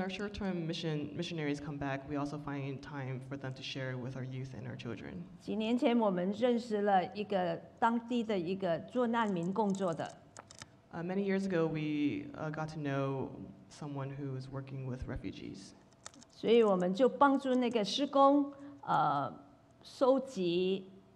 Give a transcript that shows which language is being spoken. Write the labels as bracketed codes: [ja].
[en] our short-term missionaries come back, we also find time for them to share with our youth and our children. [zh] 几年前，我们认识了一个当地的一个做难民工作的。 [en] Many years ago, we got to know someone who is working with refugees. [zh] 所以我们就帮助那个施工，收集。